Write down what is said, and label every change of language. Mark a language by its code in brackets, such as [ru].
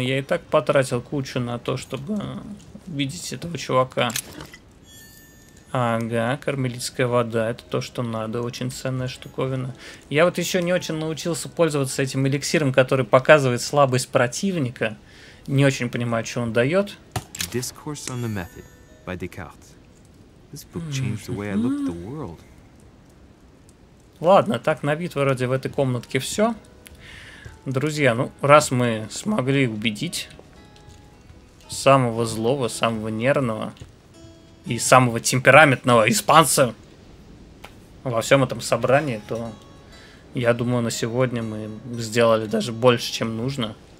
[ru] Я и так потратил кучу на то, чтобы видеть этого чувака. Ага, кармелитская вода, это то, что надо, очень ценная штуковина. Я вот еще не очень научился пользоваться этим эликсиром, который показывает слабость противника. Не очень понимаю, что он дает. [en] Discourse on the Method by Descartes. This book changed the way I looked at the world. [ru] Ладно, так на вид вроде в этой комнатке все. Друзья, ну раз мы смогли убедить самого злого, самого нервного и самого темпераментного испанца во всем этом собрании, то я думаю, на сегодня мы сделали даже больше, чем нужно.